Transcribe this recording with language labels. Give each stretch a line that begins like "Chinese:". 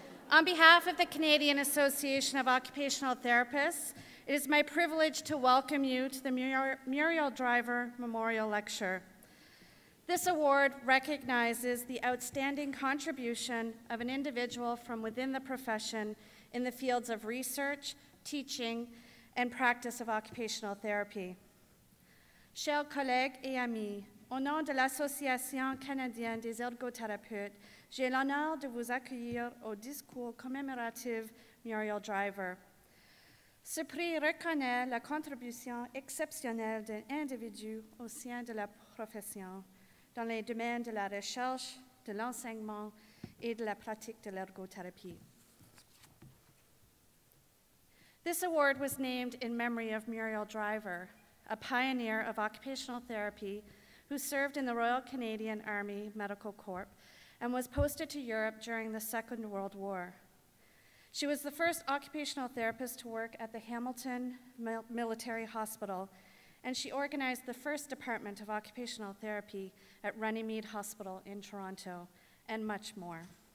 English: On behalf of the Canadian Association of Occupational Therapists, it is my privilege to welcome you to the Muriel Driver Memorial Lecture. This award recognizes the outstanding contribution of an individual from within the profession in the fields of research, teaching, and practice of occupational therapy.
French: Chers collègues et amis, au nom de l'Association canadienne des ergothérapeutes, j'ai l'honneur de vous accueillir au discours commémoratif Muriel Driver. Ce prix reconnaît la contribution exceptionnelle d'un individu au sein de la profession dans les domaines de la recherche, de l'enseignement et de la pratique de l'ergothérapie.
English: This award was named in memory of Muriel Driver, a pioneer of occupational therapy who served in the Royal Canadian Army Medical Corps and was posted to Europe during the Second World War. She was the first occupational therapist to work at the Hamilton Military Hospital, and she organized the first department of occupational therapy at Runnymede Hospital in Toronto, and much more.